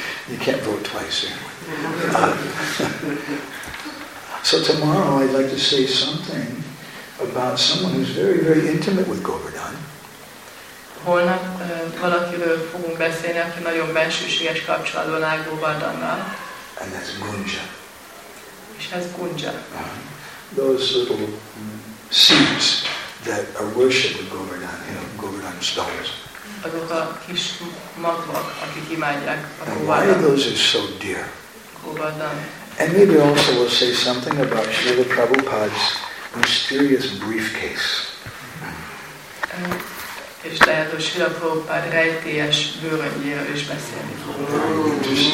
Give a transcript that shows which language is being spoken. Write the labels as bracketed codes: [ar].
[en] You can't vote twice here. So tomorrow I'd like to say something about someone who's very, very intimate with Govardhan. [hu] Holnap valakiről fogunk beszélni, aki nagyon bensőséges kapcsolatban áll Govardhannal. [en] And that's Gunja. [hu] És ez Gunja. [en] Those little seeds that are worshipped with Govardhan, you know, Govardhan stars. [hu] Azok a kis magvak, akik imádják a Govardhan. [en] And why are those so dear? Govardhan. And maybe also we'll say something about Srila Prabhupada's mysterious briefcase. [hu] És lehet, hogy Srila Prabhupada rejtélyes bőröndjéről is beszélni fogunk.